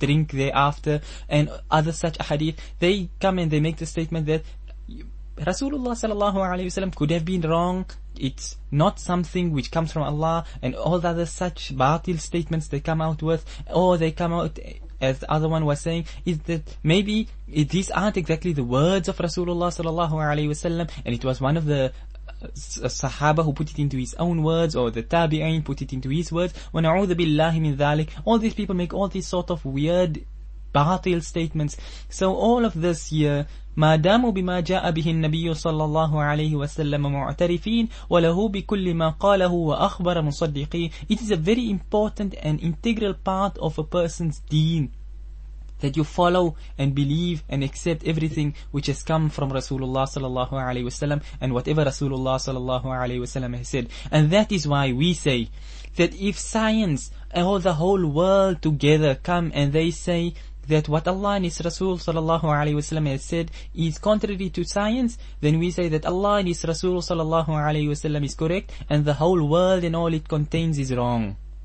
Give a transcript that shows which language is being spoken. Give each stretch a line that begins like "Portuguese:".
English: thereafter, and other such ahadith, they come and they make the statement that Rasulullah sallallahu alayhi wa sallam could have been wrong, it's not something which comes from Allah, and all the other such batil statements they come out with, or they come out, as the other one was saying, is that maybe these aren't exactly the words of Rasulullah sallallahu alayhi wa sallam, and it was one of the Sahaba who put it into his own words, or the Tabi'in put it into his words.
Arabic: وَنَعُوذَ بِاللَّهِ مِنْ ذَلِكَ.
English: All these people make all these sort of weird batil statements. So all of this year,
Arabic: ما داموا بما جاء به النبي صلى الله عليه وسلم معترفين وله بكل ما قاله وأخبر مصدقين.
English: It is a very important and integral part of a person's deen that you follow and believe and accept everything which has come from Rasulullah sallallahu alayhi wasallam and whatever Rasulullah sallallahu alayhi wasallam has said. And that is why we say that if science or the whole world together come and they say that what Allah and His Rasul sallallahu alayhi wasallam has said is contrary to science, then we say that Allah and His Rasul sallallahu alayhi wasallam is correct and the whole world and all it contains is wrong.